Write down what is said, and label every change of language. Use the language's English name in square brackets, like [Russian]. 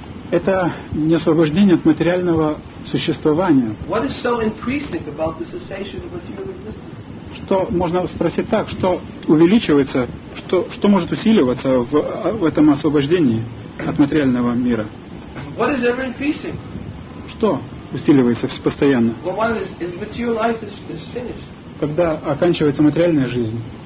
[Russian] Это не освобождение от материального существования. [English] What is so increasing about the cessation of material existence? [Russian] Что можно спросить так, что увеличивается, что может усиливаться в этом освобождении от материального мира? [English] What is ever increasing? [Russian] Что усиливается постоянно? [English] Well, what is, if material life is finished. [Russian] Когда оканчивается материальная жизнь?